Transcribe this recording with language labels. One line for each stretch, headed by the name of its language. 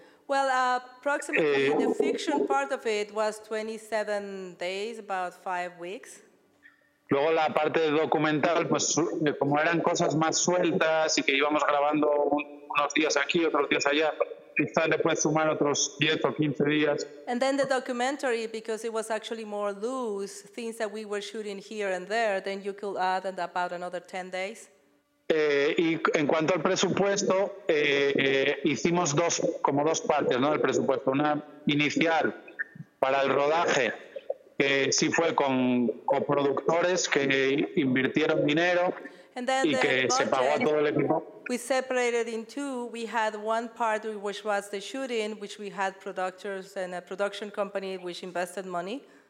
English: Well, approximately the fiction part of it was 27 days, about 5 weeks.
Spanish: Luego la parte documental, pues como eran cosas más sueltas y que íbamos grabando unos días aquí, otros días allá, quizás le puedes sumar otros 10 o 15 días.
English: And then the documentary, because it was actually more loose, things that we were shooting here and there, then you could add and about another 10 days.
Spanish: Y en cuanto al presupuesto, hicimos dos partes, ¿no? El presupuesto, una inicial para el rodaje, que sí fue con coproductores que invirtieron dinero y que se pagó a todo el equipo.
English: We separated in two. We had one part which was the shooting, which we had producers and a production company which invested money.